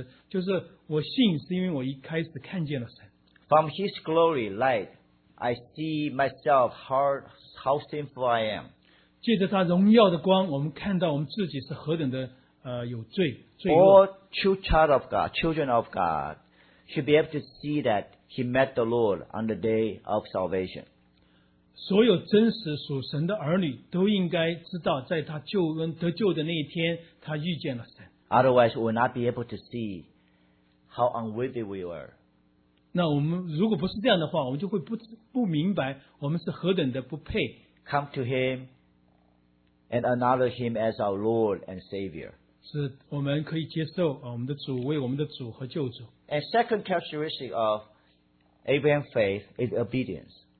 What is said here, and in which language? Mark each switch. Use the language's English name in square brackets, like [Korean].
[Chinese] 所有的基督徒都应该有这样的认识,就是我信是因为我一开始看见了神。 [English] From his glory light, I see myself how sinful I am. [Chinese] 借着他荣耀的光,我们看到我们自己是何等的 有罪, [English] all true child of God, children of God, should be able to see that he met the Lord on the day of salvation. [Chinese] 所有真实属神的儿女都应该知道在他救恩得救的那一天, 他遇见了神。 [English] Otherwise, we will not be able to see how unworthy we were. [Chinese] 那我们如果不是这样的话, 我们就会不明白我们是何等的不配。 [English] Come to him and acknowledge him as our Lord and Savior. [Chinese] 是我们可以接受我们的主为我们的主和救主。 [English] And second characteristic of Abraham's faith is obedience.